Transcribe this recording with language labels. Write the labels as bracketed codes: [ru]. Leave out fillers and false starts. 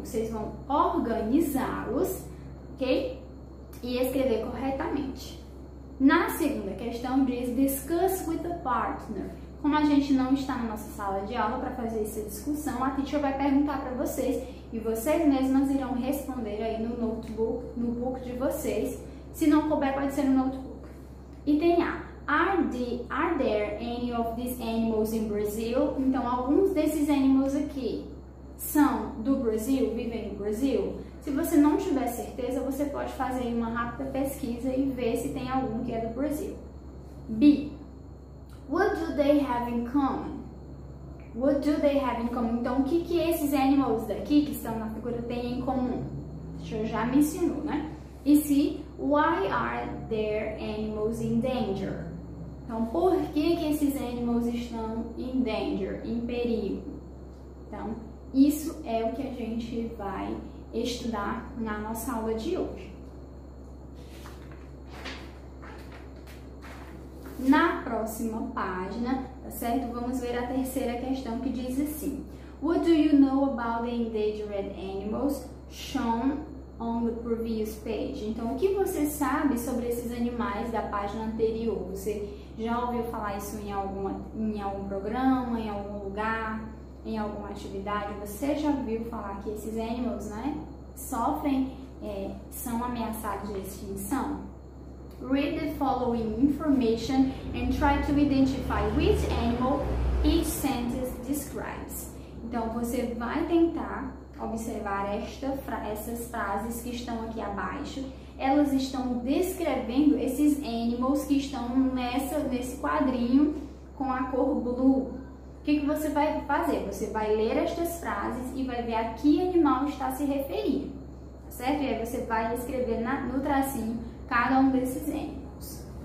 [pt] Vocês vão organizá-los, ok? E escrever corretamente. Na segunda questão diz [en] discuss with a partner. [pt] Como a gente não está na nossa sala de aula para fazer essa discussão, a teacher vai perguntar para vocês e vocês mesmas irão responder aí no notebook, no book de vocês. Se não couber, pode ser no notebook. Item A. [en] Are there any of these animals in Brazil? [pt] Então, alguns desses animals aqui são do Brasil, vivem no Brasil? Se você não tiver certeza, você pode fazer uma rápida pesquisa e ver se tem algum que é do Brasil. B. [en] What do they have in common? What do they have in common? [pt] Então, o que, que esses animals daqui que estão na figura têm em comum? Deixa eu já mencionou, né? E C. [en] Why are there animals in danger? [pt] Então, por que, que esses animals estão [en] in danger, [pt] em perigo? Então, isso é o que a gente vai estudar na nossa aula de hoje. Na próxima página, tá certo? Vamos ver a terceira questão que diz assim. [en] What do you know about the endangered animals shown on the previous page? [pt] Então, o que você sabe sobre esses animais da página anterior? Você já ouviu falar isso em algum programa, em algum lugar, em alguma atividade? Você já ouviu falar que esses animals, né, sofrem, são ameaçados de extinção? [en] Read the following information and try to identify which animal each sentence describes. [pt] Então, você vai tentar observar essas frases que estão aqui abaixo. Elas estão descrevendo esses animals que estão nesse quadrinho com a cor blue. O que você vai fazer? Você vai ler estas frases e vai ver a que animal está se referindo, tá certo? E aí você vai escrever no tracinho cada um desses animals.